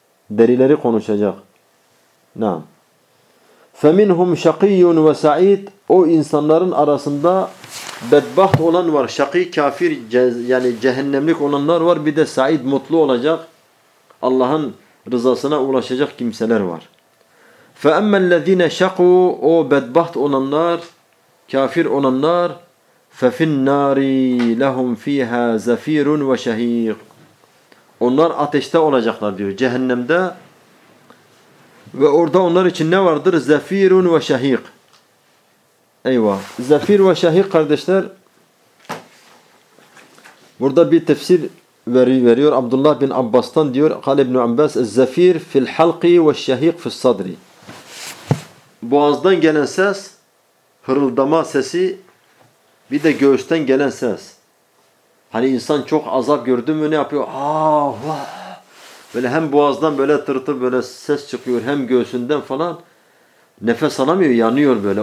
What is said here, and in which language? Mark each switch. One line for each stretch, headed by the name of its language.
Turkish: Derileri konuşacak. Naam.
Arabic: فَمِنْهُمْ شَقِيٌّ وَسَعِيدٌ
Turkish: O insanların arasında bedbaht olan var. Şakî, kafir, yani cehennemlik olanlar var. Bir de sa'id, mutlu olacak. Allah'ın rızasına ulaşacak kimseler var.
Arabic: فَأَمَّا الَّذ۪ينَ شَقُوا
Turkish: O bedbaht olanlar, kafir olanlar.
Arabic: فَفِ النَّارِ لَهُمْ ف۪يهَا زَف۪يرٌ وَشَه۪يقٌ
Turkish: Onlar ateşte olacaklar diyor. Cehennemde. Ve orada onlar için ne vardır? Zefirun ve şahik. Eyvah. Zefir ve şahik kardeşler, Burada bir tefsir veriyor Abdullah bin Abbas'tan diyor.
Arabic: قال ابن عباس الزفير في الحلق والشهيق في الصدر.
Turkish: Boğazdan gelen ses, hırıldama sesi, bir de göğüsten gelen ses. Hani insan çok azap gördü mü ne yapıyor? Ah, vah. Böyle hem boğazdan böyle tırtır böyle ses çıkıyor, hem göğsünden falan nefes alamıyor, yanıyor böyle.